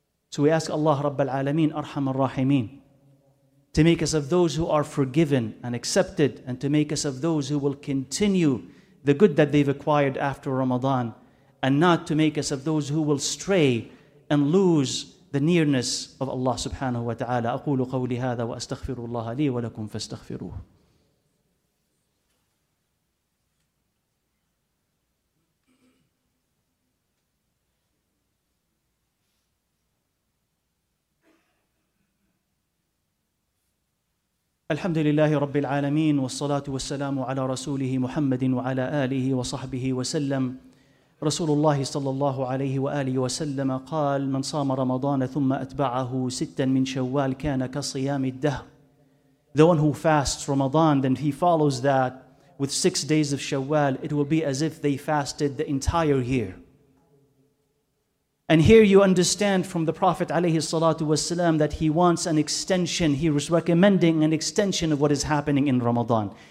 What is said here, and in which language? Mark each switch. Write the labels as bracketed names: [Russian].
[English] So we ask Allah Rabbil Alameen, Arham Ar-Rahimeen, to make us of those who are forgiven and accepted, and to make us of those who will continue the good that they've acquired after Ramadan, and not to make us of those who will stray and lose the nearness of Allah subhanahu wa ta'ala. [Arabic] أقول قولي هذا وأستغفر الله لي ولكم فاستغفروه. الحمد لله رب العالمين والصلاة والسلام على رسوله محمد وعلى آله وصحبه وسلم. رسول الله صلى الله عليه وآله وسلم قال: من صام رمضان ثم أتبعه ستا من شوال كان كصيام الدهر. [English] The one who fasts Ramadan, then he follows that with 6 days of Shawwal, it will be as if they fasted the entire year. And here you understand from the Prophet alayhi salatu wasalam that he wants an extension. He was recommending an extension of what is happening in Ramadan.